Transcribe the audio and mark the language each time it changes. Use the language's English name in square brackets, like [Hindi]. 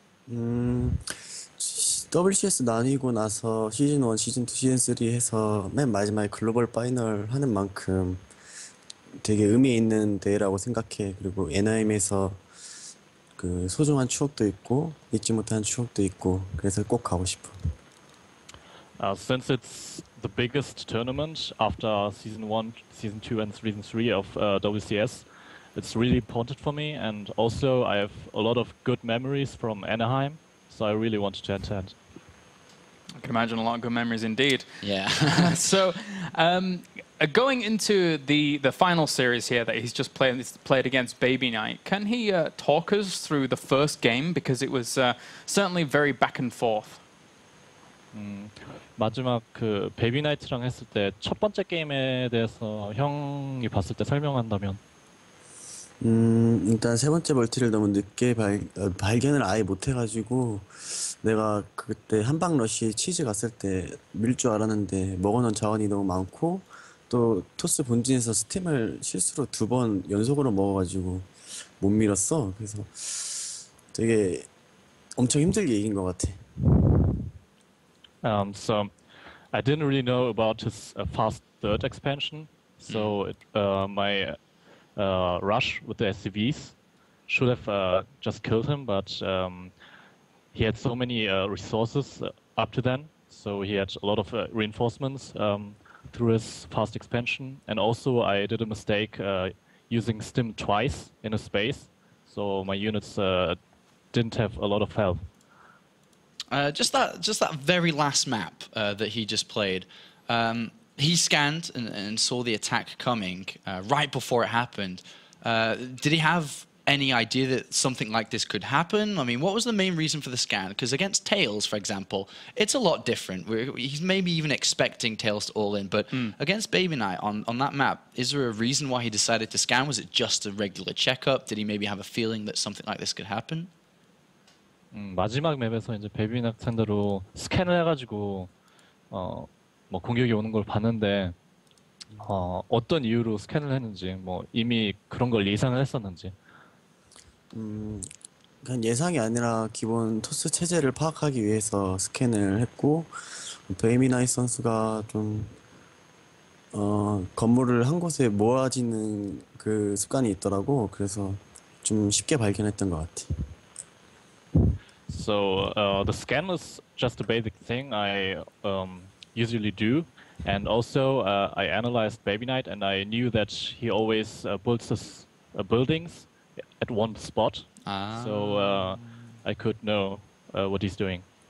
[Korean] WCS 나뉘고 나서 시즌 1, 시즌 2, 시즌 3 해서 맨 마지막에 글로벌 파이널 하는 만큼 되게 의미 있는 대회라고 생각해. 그리고 NIM에서 그 소중한 추억도 있고 잊지 못한 추억도 있고 그래서 꼭 가고 싶어. [English] Since it's the biggest tournament after season 1, season 2 and season 3 of WCS, it's really important for me, and also I have a lot of good memories from Anaheim, so I really wanted to attend. I can imagine a lot of good memories indeed. Yeah. So, going into the final series here that he's just played against Baby Knight, can he talk us through the first game? Because it was certainly very back and forth. [Korean] 마지막 그 Baby Knight랑 했을 때 첫 번째 게임에 대해서 형이 봤을 때 설명한다면 일단 세 번째 멀티를 너무 늦게 발견을 아예 못 해가지고 내가 그때 한방러쉬 치즈 갔을 때 밀 줄 알았는데 먹어놓은 자원이 너무 많고 또 토스 본진에서 스팀을 실수로 두 번 연속으로 먹어가지고 못 밀었어. 그래서 되게 엄청 힘들게 이긴 것 같아. [English] So I didn't really know about his fast third expansion. So my rush with the SCVs should have just killed him, but he had so many resources up to then, so he had a lot of reinforcements through his fast expansion. And also I did a mistake using stim twice in a space, so my units didn't have a lot of health. Just that very last map that he just played, he scanned and saw the attack coming right before it happened. Did he have any idea that something like this could happen? I mean, what was the main reason for the scan? Because against TAiLS, for example, it's a lot different. He's maybe even expecting TAiLS to all in, but against Baby Knight on that map, is there a reason why he decided to scan? Was it just a regular checkup? Did he maybe have a feeling that something like this could happen? [Korean] 마지막 맵에서 이제 Baby Knight 상대로 스캔을 해가지고 뭐 공격이 오는 걸 봤는데 어떤 이유로 스캔을 했는지 뭐 이미 그런 걸 예상을 했었는지 그냥 예상이 아니라 기본 토스 체제를 파악하기 위해서 스캔을 했고 베이미 나이 선수가 좀 건물을 한 곳에 모아지는 그 습관이 있더라고 그래서 좀 쉽게 발견했던 것 같아. [English] So the scan was just a basic thing I usually do, and also I analyzed Baby Knight, and I knew that he always builds his buildings at one spot, so I could know what he's doing.